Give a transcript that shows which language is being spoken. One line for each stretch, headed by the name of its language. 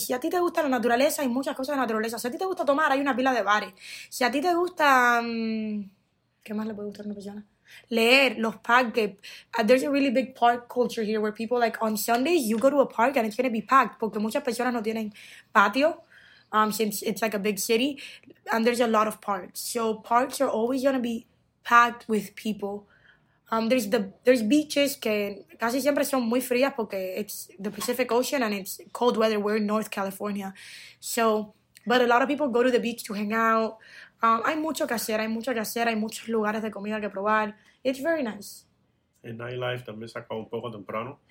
Spanish: Si a ti te gusta la naturaleza, hay muchas cosas de naturaleza. Si a ti te gusta tomar, hay una pila de bares. Si a ti te gusta... ¿Qué más le puede gustar a una persona? Leer, los parques.
English: There's a really big park culture here where people, like, on Sundays, you go to a park and it's going to be packed
Spanish: porque muchas personas no tienen patio
English: since it's, like, a big city. And there's a lot of parks. So parks are always going to be packed with people. There's beaches
Spanish: que casi siempre son muy frías porque
English: it's the Pacific Ocean and it's cold weather. We're in North California. So, but a lot of people go to the beach to hang out.
Spanish: Hay mucho que hacer, hay mucho que hacer, hay muchos lugares de comida que probar.
English: It's very nice.
Spanish: El nightlife también se acaba un poco temprano.